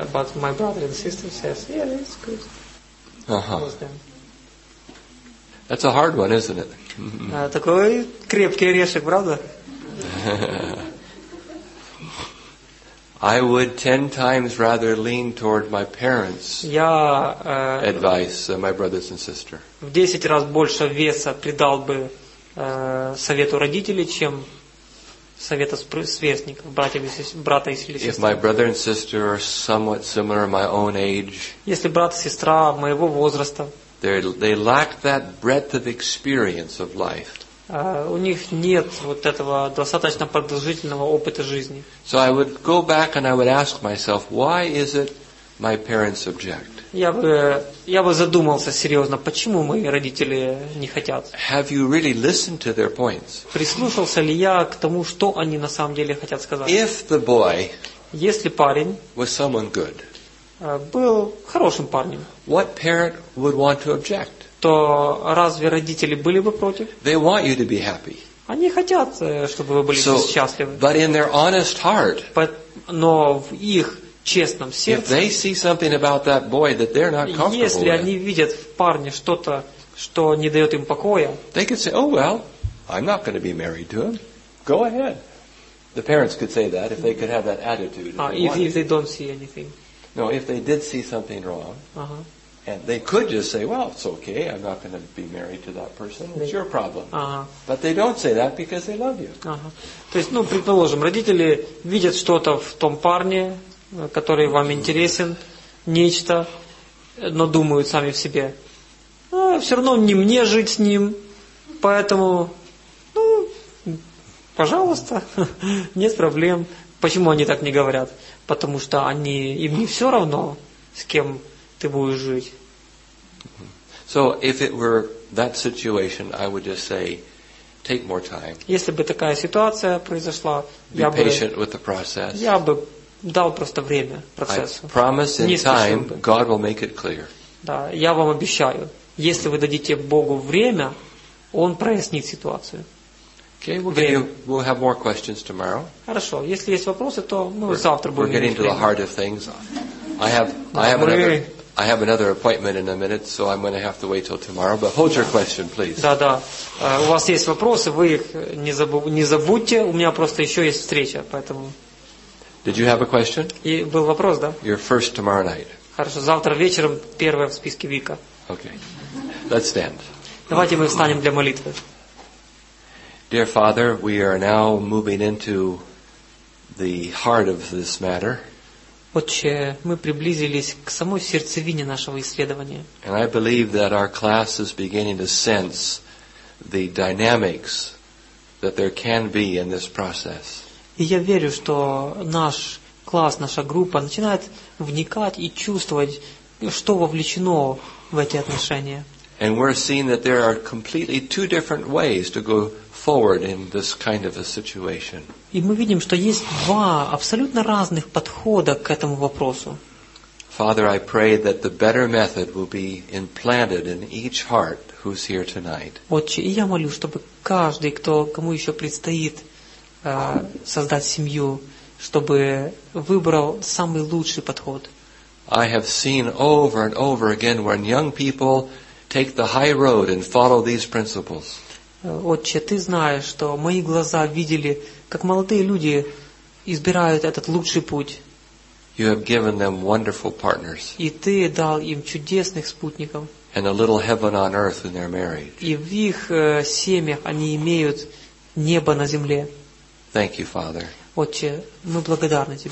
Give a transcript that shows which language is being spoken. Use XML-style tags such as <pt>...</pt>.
<en>But my brother and sister says, yeah, it's good. That's a hard one, isn't it?</en> <ru>Такой крепкий орешек, правда?</ru> <en>I would 10 times rather lean toward my parents' advice than my brothers and sister.</en> <ru>В 10 раз больше веса придал бы совету родителей, чем совета сверстников, брата или сестры.</ru> <en>If my brother and sister are somewhat similar my own age,</en> <ru>если брат и сестра моего возраста,</ru> <en>they lack that breadth of experience of life.</en> <ru>У них нет вот этого достаточно продолжительного опыта жизни.</ru> <en>So I would go back and I would ask myself, why is it my parents object?</en> <ru>Я бы задумался серьезно, почему мои родители не хотят?</ru> <en>Have you really listened to their points?</en> <ru>Прислушался ли я к тому, что они на самом деле хотят сказать?</ru> <en>If the boy,</en> <ru>если парень,</ru> <en>was someone good,</en> <ru>был хорошим парнем,</ru> <en>what parent would want to object?</en> <ru>То разве родители были бы против?</ru> <en>They want you to be happy.</en> <ru>Они хотят, чтобы вы были счастливы.</ru> <en>But in their honest heart,</en> <ru>но в их честном сердце,</ru> <en>if they see something about that boy that they're not comfortable with,</en> <ru>если они видят в парне что-то, что не дает им покоя,</ru> <en>they could say, "Oh well, I'm not going to be married to him. Go ahead." The parents could say that if they could have that attitude. If they don't see anything. No, if they did see something wrong. And they could just say, well, it's okay, I'm not going to be married to that person, it's your problem. But they don't say that because they love you.</en> <ru>То есть, ну, предположим, родители видят что-то в том парне, который вам интересен, нечто, но думают сами в себе, все равно не мне жить с ним, поэтому, ну, пожалуйста, нет проблем. Почему они так не говорят? Потому что они им не все равно, с кем ты будешь жить.</ru> <en>So if it were that situation, I would just say, take more time.</en> <ru>Если бы такая ситуация произошла,</ru> <en>be patient with the process.</en> <ru>Я бы дал просто время процессу.</ru> <en>I promise in time, God will make it clear.</en> <ru>Да, я вам обещаю, если вы дадите Богу время, Он прояснит ситуацию.</ru> <en>Okay, we'll have more questions tomorrow.</en> <ru>Хорошо, если есть вопросы, то мы завтра будем.</ru> <en>We're getting to the heart of things. I have another. I have another appointment in a minute, so I'm going to have to wait till tomorrow. But hold your question, please.</en> <ru>Да, да. У вас есть вопросы, вы их не забудьте. У меня просто еще есть встреча, поэтому.</ru> <en>Did you have a question?</en> <ru>И был вопрос, да?</ru> <en>You're first tomorrow night.</en> <ru>Хорошо, завтра вечером первая в списке Вика.</ru> <en>Okay. Let's stand.</en> <ru>Давайте мы встанем для молитвы.</ru> <en>Dear Father, we are now moving into the heart of this matter.</en> <ru>Отче, мы приблизились к самой сердцевине нашего исследования.</ru> <en>And I believe that our class is beginning to sense the dynamics that there can be in this process.</en> <ru>И я верю, что наш класс, наша группа начинает вникать и чувствовать, что вовлечено в эти отношения.</ru> <en>And we're seeing that there are completely two different ways to go forward in this kind of a situation.</en> <ru>И мы видим, что есть два абсолютно разных подхода к этому вопросу.</ru> <en>Father, I pray that the better method will be implanted in each heart who's here tonight.</en> <ru>Отче, и я молю, чтобы каждый, кто кому еще предстоит создать семью, чтобы выбрал самый лучший подход.</ru> <en>I have seen over and over again when young people take the high road and follow these principles.</en> <ru>Отче, ты знаешь, что мои глаза видели, как молодые люди избирают этот лучший путь.</ru> <en>You have given them wonderful partners.</en> <ru>И ты дал им чудесных спутников.</ru> <en>And a little heaven on earth in their marriage.</en> <ru>И в их семьях они имеют небо на земле.</ru> <en>Thank you, Father.</en> <ru>Отче, мы благодарны тебе.</ru>